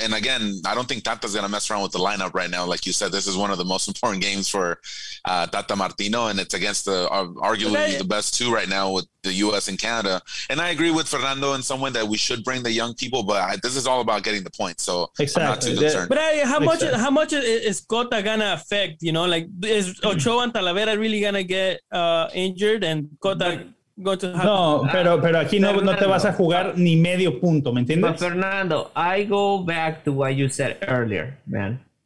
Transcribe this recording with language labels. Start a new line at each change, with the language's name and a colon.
English: And again, I don't think Tata's going to mess around with the lineup right now. Like you said, this is one of the most important games for Tata Martino, and it's against the arguably the best two right now with the U.S. and Canada. And I agree with Fernando in some way that we should bring the young people, but this is all about getting the points, so I'm not too concerned. But how much is Cota going to affect, you know? Like, is Ochoa and Talavera really going to get injured and Cota...
Spanish: No, pero aquí no, Fernando, no te vas a jugar ni medio punto, ¿me entiendes?
English: But Fernando, I go back to what you said earlier, man.